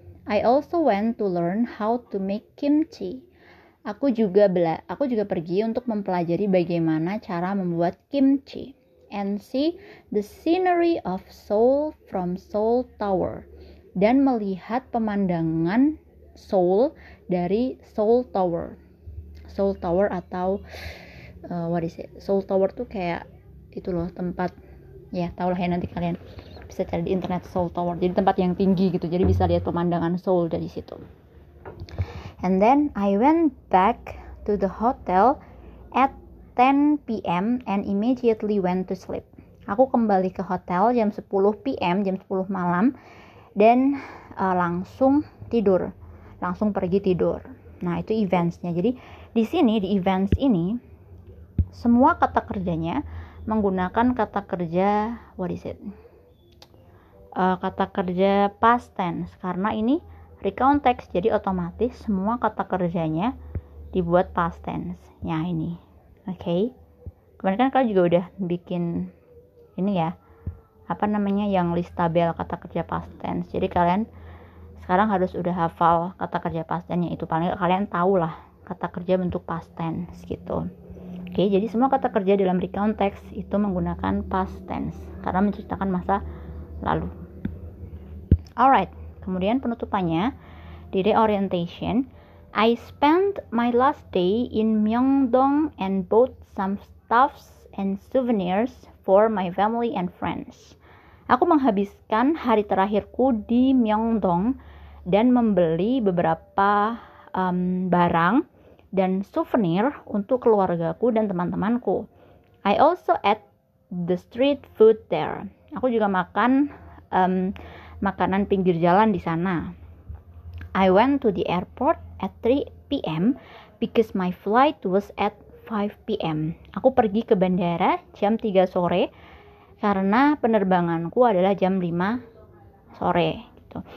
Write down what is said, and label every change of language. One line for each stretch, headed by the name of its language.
English: I also went to learn how to make kimchi.
Indonesian: Aku juga pergi untuk mempelajari bagaimana cara membuat kimchi
English: and see the scenery of Seoul from Seoul Tower
Indonesian: dan melihat pemandangan Seoul dari Seoul Tower. Seoul Tower atau
English: what is it?
Indonesian: Seoul Tower tuh kayak itu loh tempat, ya tau lah ya, nanti kalian bisa cari di internet Seoul Tower. Jadi tempat yang tinggi gitu. Jadi bisa lihat pemandangan Seoul dari situ.
English: And then I went back to the hotel at 10 p.m. and immediately went to sleep.
Indonesian: Aku kembali ke hotel jam 10 p.m., jam 10 malam, dan langsung tidur. Langsung pergi tidur. Nah, itu events-nya. Jadi di sini di events ini semua kata kerjanya menggunakan kata kerja
English: what is it?
Indonesian: Kata kerja past tense, karena ini recount text, jadi otomatis semua kata kerjanya dibuat past tense. Ya ini. Oke. Okay. Kemarin kan kalian juga udah bikin ini ya. Apa namanya yang list tabel kata kerja past tense. Jadi kalian sekarang harus udah hafal kata kerja past tense-nya itu, paling kalian tahu lah kata kerja bentuk past tense gitu. Oke, okay, jadi semua kata kerja dalam recount text itu menggunakan past tense karena menceritakan masa lalu.
English: Alright,
Indonesian: kemudian penutupannya di reorientation.
English: I spent my last day in Myeongdong and bought some stuffs and souvenirs for my family and friends.
Indonesian: Aku menghabiskan hari terakhirku di Myeongdong dan membeli beberapa barang dan souvenir untuk keluargaku dan teman-temanku.
English: I also ate the street food there.
Indonesian: Aku juga makan makanan pinggir jalan di sana.
English: I went to the airport at 3 p.m. because my flight was at 5 PM.
Indonesian: Aku pergi ke bandara jam 3 sore karena penerbanganku adalah jam 5 sore gitu.